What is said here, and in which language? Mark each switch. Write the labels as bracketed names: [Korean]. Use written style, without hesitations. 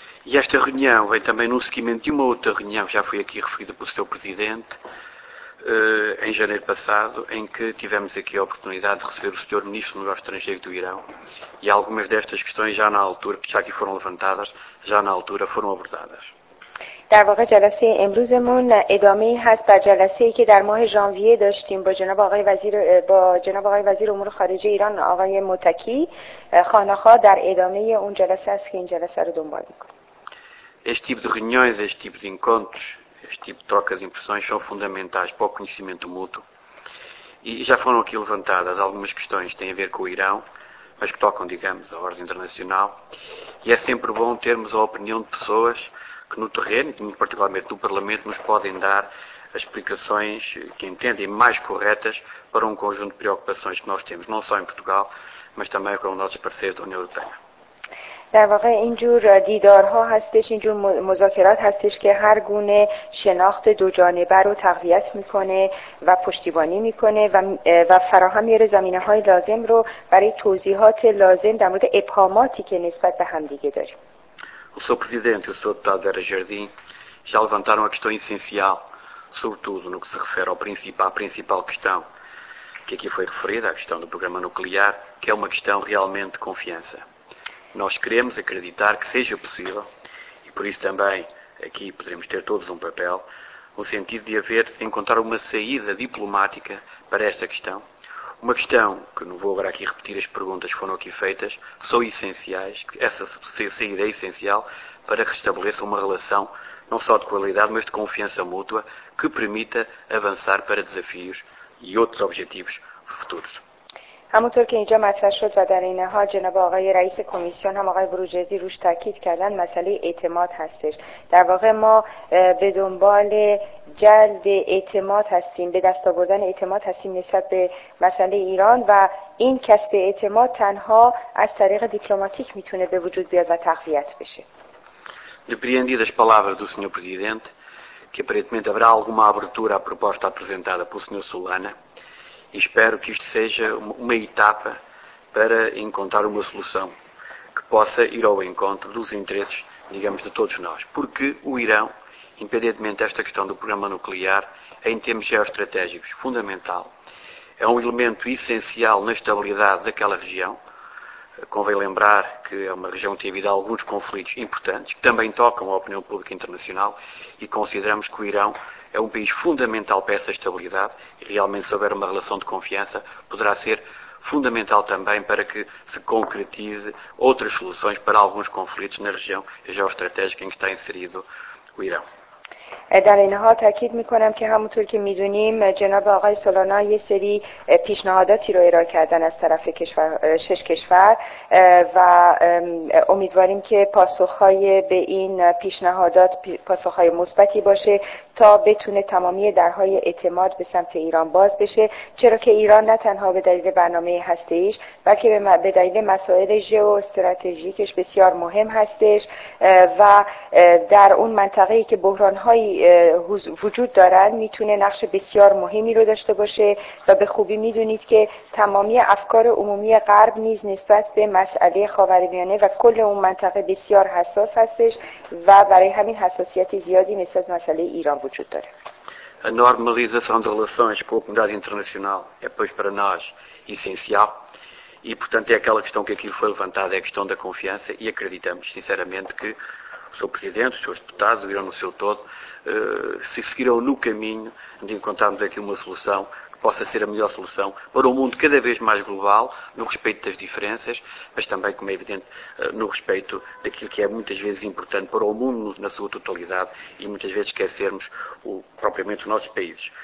[Portuguese] E esta reunião vem também no seguimento de uma outra reunião que já foi aqui referida pelo seu presidente em janeiro passado, em que tivemos aqui a oportunidade de receber o Sr. Ministro dos Negócios Estrangeiros do Irão, e algumas destas questões já na altura, que já aqui foram levantadas, já na altura foram abordadas. [Persian] در واقع جلسه امروزمون ادامه هست بر جلسه ای که در ماه ژانویه داشتیم با جناب آقای وزیر امور خارجه ایران آقای متکی خانه‌خواه در ادامه اون جلسه است که این جلسه رو دنبال می‌کنیم. [Portuguese] Este tipo de reuniões, este tipo de encontros, este tipo de trocas de impressões são fundamentais para o conhecimento mútuo e já foram aqui levantadas algumas questões que têm a ver com o Irão, mas que tocam, digamos, a ordem internacional e é sempre bom termos a opinião de pessoas que no terreno, e particularmente no Parlamento, nos podem dar as explicações que entendem mais corretas para um conjunto de preocupações que nós temos, não só em Portugal, mas também com os nossos parceiros da União Europeia. [Persian] در واقع اینجور دیدارها هستش، اینجور مذاکرات هستش که هر گونه شناخت دو جانبه رو تقویت میکنه و پشتیبانی میکنه و فراهم میاره زمینه های لازم رو برای توضیحات لازم در مورد ابهاماتی که نسبت به هم دیگه داریم. [Portuguese] O seu presidente, o seu deputado Vera Jardim, já levantaram uma questão essencial, sobretudo no que se refere ao principal questão que aqui foi referida, a questão do programa nuclear, que é uma questão realmente de confiança. Nós queremos acreditar que seja possível, e por isso também aqui poderemos ter todos um papel, no sentido de haver, de encontrar uma saída diplomática para esta questão. Uma questão, que não vou agora aqui repetir as perguntas que foram aqui feitas, são essenciais, que essa saída é essencial para que restabeleça uma relação não só de qualidade, mas de confiança mútua, que permita avançar para desafios e outros objetivos futuros. [Persian] همونطور که اینجا مطرح شد و در این حال جناب آقای رئیس کمیسیون هم آقای بروجردی روش تاکید کردن، مسئله اعتماد هستش. در واقع ما به دنبال جلب اعتماد هستیم، به دست آوردن اعتماد هستیم نسبت به مسئله ایران، و این کسب اعتماد تنها از طریق دیپلماتیک میتونه به وجود بیاد و تقویت بشه. [Portuguese] Depreendidas palavras do senhor presidente, que aparentemente haverá alguma abertura à proposta apresentada pelo senhor Solana. E espero que isto seja uma etapa para encontrar uma solução que possa ir ao encontro dos interesses, digamos, de todos nós. Porque o Irão, independentemente desta questão do programa nuclear, em termos geoestratégicos, fundamental, é um elemento essencial na estabilidade daquela região. Convém lembrar que é uma região que tem havido alguns conflitos importantes, que também tocam a opinião pública internacional, e consideramos que o Irão é um país fundamental para essa estabilidade, e realmente, se houver uma relação de confiança, poderá ser fundamental também para que se concretize outras soluções para alguns conflitos na região geoestratégica em que está inserido o Irã. [Persian] در این حال تاکید میکنم که همونطور که میدونیم جناب آقای سولانا یه سری پیشنهاداتی رو ارائه کردن از طرف شش کشور، و امیدواریم که پاسخهای به این پیشنهادات پاسخهای مثبتی باشه تا بتونه تمامی درهای اعتماد به سمت ایران باز بشه، چرا که ایران نه تنها به دلیل برنامه هسته‌ایش، بلکه به دلیل مسائل ژئواستراتژیکش بسیار مهم هستش، و در اون منطقه‌ای که بحران‌های وجود دارن میتونه نقش بسیار مهمی رو داشته باشه. و به خوبی میدونید که تمامی افکار عمومی غرب نیز نسبت به مسئله خاورمیانه و کل اون منطقه بسیار حساس هستش، و برای همین حساسیت زیادی نسبت به مسئله ایران وجود داره. [Portuguese] A normalização de relações com a comunidade internacional é pois para nós essencial, e portanto é aquela questão que aqui foi levantada, é a questão da confiança, e acreditamos sinceramente que o Sr. Presidente, os Srs. Deputados, o Irão no seu todo, se seguirão no caminho de encontrarmos aqui uma solução que possa ser a melhor solução para um mundo cada vez mais global, no respeito das diferenças, mas também, como é evidente, no respeito daquilo que é muitas vezes importante para o mundo na sua totalidade, e muitas vezes esquecermos propriamente os nossos países.